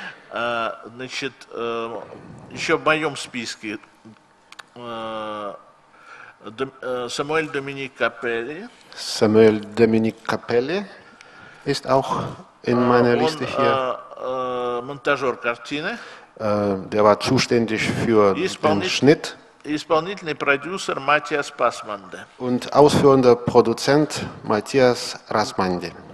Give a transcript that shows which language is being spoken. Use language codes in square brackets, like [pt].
[ru] Значит, еще в моем списке Samuel Dominique Capelli. [de] Samuel Dominique Capelli ist auch in meiner Liste hier. [ru] Монтажер картины. [de] Der war zuständig für den Schnitt. [ru] Исполнительный продюсер Матиас Пасманде. [de] Und ausführender Produzent Matthias Rasmande.